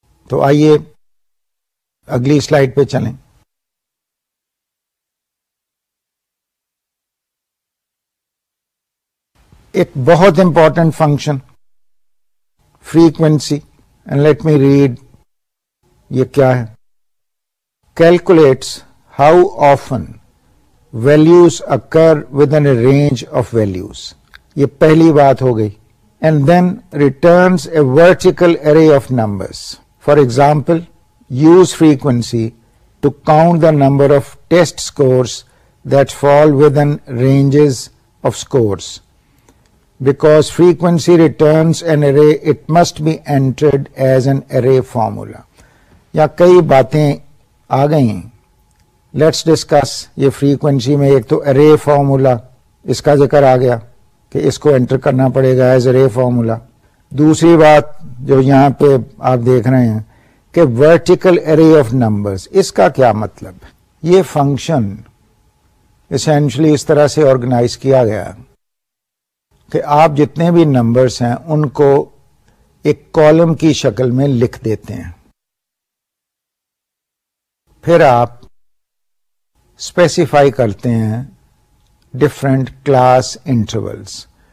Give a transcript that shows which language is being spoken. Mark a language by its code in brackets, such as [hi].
[ur] تو آئیے اگلی سلائیڈ پہ چلیں. ایک بہت important function frequency, [en] and let me read [ur] یہ کیا ہے. [en] calculates how often values occur within a range of values, [ur] یہ پہلی بات ہو گئی. [en] And then returns a vertical array of numbers. For example, use frequency to count the number of test scores that fall within ranges of scores. Because frequency returns an array, it must be entered as an array formula. [ur] یا کئی باتیں آ گئیں. [en] Let's discuss یہ frequency میں. [ur] ایک تو array formula, اس کا ذکر آ گیا کہ اس کو enter کرنا پڑے گا as array formula. دوسری بات جو یہاں پہ آپ دیکھ رہے ہیں کہ vertical array of numbers, اس کا کیا مطلب. یہ function essentially اس طرح سے organize کیا گیا کہ آپ جتنے بھی numbers ہیں ان کو ایک column کی شکل میں لکھ دیتے ہیں, پھر آپ اسپیسیفائی کرتے ہیں ڈفرینٹ کلاس انٹرولس.